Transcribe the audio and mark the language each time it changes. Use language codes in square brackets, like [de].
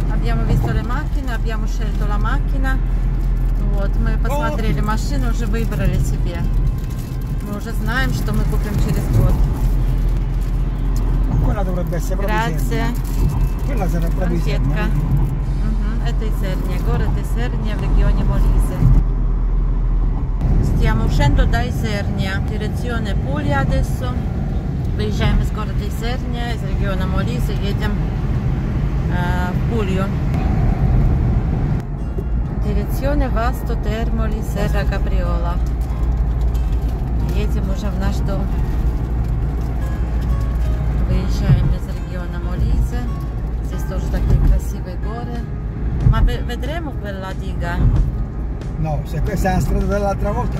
[it] Abbiamo visto le macchine, abbiamo scelto la macchina. [ru] Вот, мы посмотрели машину, уже выбрали себе. Мы уже знаем, что мы купим через год. [it] Quella dovrebbe essere proprio grazie. Serna. Quella sarà proprio Serna. [ru] Это из Сернии, город Сернии в регионе Молизе. [it] Stiamo uscendo da Isernia, direzione Puglia adesso. Viaggiamo [ru] из города Сернии, из региона Молизе, едем в Пулью. [it] Direzione Vasto Termoli, Serra Capriola. [ru] Едем уже в наш дом. Выезжаем из региона Молизе. Здесь тоже такие красивые горы. [it] Ma vedremo quella diga? No, se questa è la strada dell'altra volta.